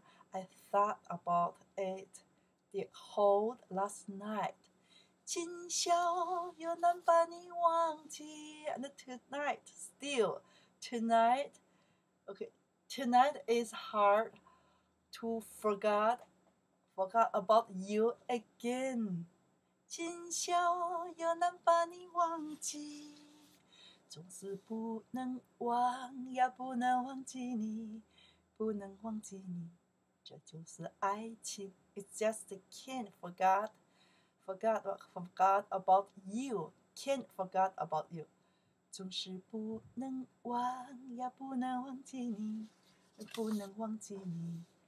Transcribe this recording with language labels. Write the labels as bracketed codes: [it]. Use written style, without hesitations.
[en] I thought about it the whole last night. [zh] 今宵又难把你忘记。 [en] And tonight still. Tonight, okay, tonight is hard to forget about you again. [zh] 今宵又难把你忘记，总是不能忘，也不能忘记你，不能忘记你，这就是爱情。 [en] It's just can't forget about you, can't forget about you. [zh] 总是不能忘，也不能忘记你，不能忘记你。